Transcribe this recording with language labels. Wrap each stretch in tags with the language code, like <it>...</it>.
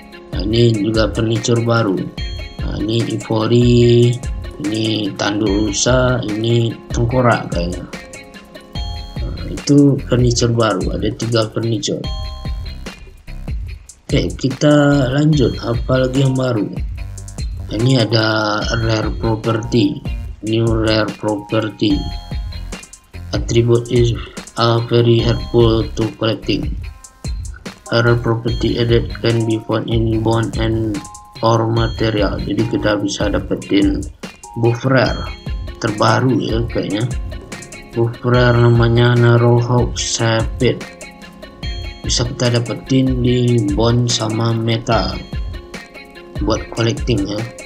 <id>Nah, ini juga furniture baru. Nah, ini ivory, ini tanduk rusa, ini tengkorak kayaknya. Nah, itu furniture baru. Ada 3 furniture. Oke, kita lanjut apa lagi yang baru. Ini ada</id> <en>rare property, new rare property, attribute is very helpful to collecting. Rare property added can be found in bone and or material.</en> <id>Jadi kita bisa dapetin buff rare terbaru ya kayaknya. Buff rare namanya Narrowhawk Sapit, bisa kita dapetin di bone sama metal buat collecting ya.</id>